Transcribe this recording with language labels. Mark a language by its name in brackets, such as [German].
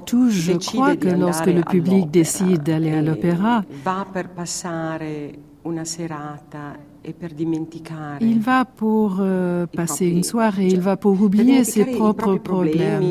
[French] tout, je crois que lorsque le public décide d'aller à l'opéra, [Italian] va per passare una serata. [French] Il va pour passer une soirée, il va pour oublier ses propres problèmes.